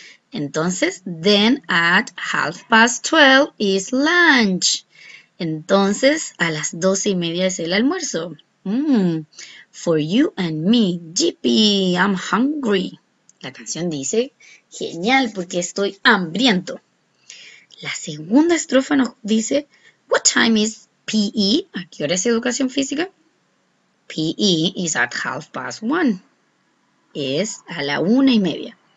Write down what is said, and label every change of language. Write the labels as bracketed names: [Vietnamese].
[Spanish] Entonces, [English] then at 12:30 is lunch. [Spanish] Entonces, a las 12:30 es el almuerzo. [English] For you and me, yippee, I'm hungry. [Spanish] La canción dice, genial, porque estoy hambriento. La segunda estrofa nos dice, [English] what time is PE? [Spanish] ¿A qué hora es educación física? [English] PE is at 1:30. [Spanish] Es a la 1:30.